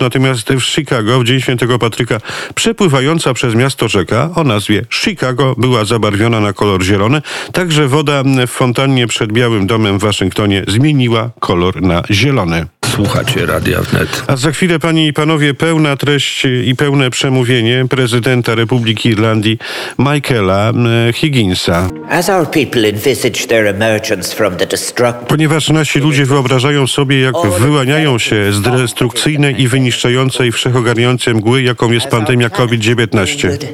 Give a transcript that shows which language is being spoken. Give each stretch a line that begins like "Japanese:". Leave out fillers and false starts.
Polish: Natomiast w Chicago, w Dzień Świętego Patryka, przepływająca przez miasto rzeka o nazwie Chicago była zabarwiona na kolor zielony. Także woda w fontannie przed Białym Domem w Waszyngtonie zmieniła kolor na zielony. Słuchacie Radia Wnet. A za chwilę, panie i panowie, pełna treść i pełne przemówienie prezydenta Republiki Irlandii Michaela Higginsa.
English: As our people envisage their emergence from the destructive...
Polish: Ponieważ nasi ludzie wyobrażają sobie, jak wyłaniają się z destrukcyjnej i wyniszczającej wszechogarniającej mgły, jaką jest pandemia COVID-19.